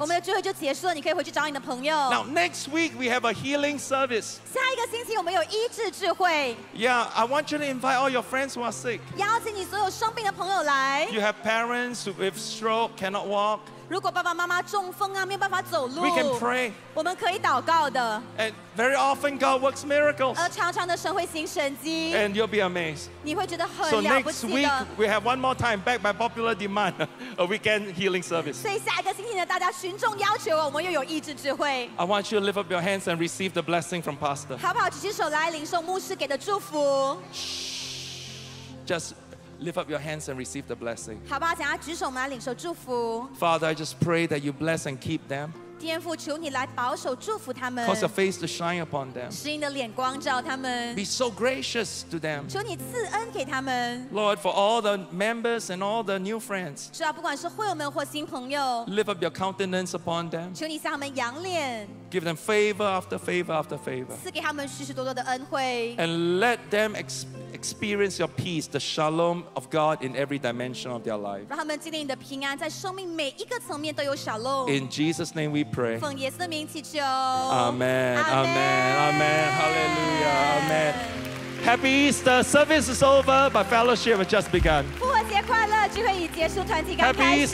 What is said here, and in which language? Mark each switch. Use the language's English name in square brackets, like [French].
[Chinese] 我们的聚会就结束了，你可以回去找你的朋友。 [English] Now next week we have a healing service. [Chinese] 下一个星期我们有医治聚会。 [English] Yeah, I want you to invite all your friends who are sick. [Chinese] 邀请你所有生病的朋友来。 [English] You have parents with stroke cannot walk. [Chinese] 如果爸爸妈妈中风啊，没有办法走路。 [English] We can pray. [Chinese] 我们可以祷告的。 [English] And very often God works miracles. [Chinese] 而常常的神会行神迹。 [English] And you'll be amazed. [Chinese] 你会觉得很了不起 [English] 的。So next week we have one more time back by popular demand. A weekend healing service. [Chinese] 所以下一个星期呢，大家群众要求我们又有医治聚会。 [English] I want you to lift up your hands and receive the blessing from Pastor. [Chinese] 好不好？举起手来领受牧师给的祝福。 [English] Just lift up your hands and receive the blessing. [Chinese] 好不好？想要举手，我们来领受祝福。 [English] Father, I just pray that you bless and keep them. [Chinese] 天父，求你来保守祝福他们。 [English] Cause your face to shine upon them. [Chinese] 使你的脸光照他们。 [English] Be so gracious to them. [Chinese] 求你赐恩给他们。 [English] Lord, for all the members and all the new friends. [Chinese] 主啊，不管是会友们或新朋友。 [English] Lift up your countenance upon them. [Chinese] 求你向他们扬脸。 [English] Give them favor after favor after favor. [Chinese] 赐给他们许许多多的恩惠。 [English] And let them experience your peace, the shalom of God in every dimension of their life. [Chinese] 让他们经历你的平安，在生命每一个层面都有 shalom. [English] In Jesus' name we pray. [Chinese] 奉耶稣的名祈求。 [English] Amen. Amen. Amen. Hallelujah. Amen. Happy Easter. Service is over, but fellowship has just begun. [Chinese] 复活节快乐，聚会已结束，团体刚开始。